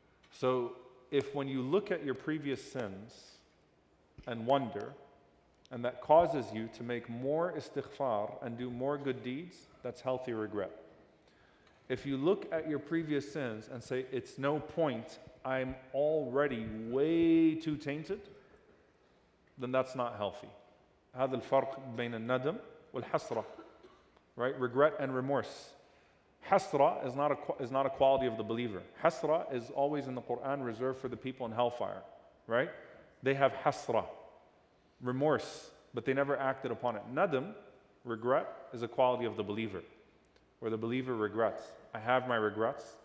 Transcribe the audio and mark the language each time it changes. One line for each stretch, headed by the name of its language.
English: So if when you look at your previous sins and wonder, and that causes you to make more istighfar and do more good deeds, that's healthy regret. If you look at your previous sins and say, it's no point, I'm already way too tainted, then that's not healthy.
Arabic: هذا الفرق بين الندم والحسرة, right?
English: Regret and remorse. حسرة is not a quality of the believer. حسرة is always in the Quran reserved for the people in hellfire, right? They have حسرة, remorse, but they never acted upon it. ندم, regret, is a quality of the believer, where the believer regrets. I have my regrets.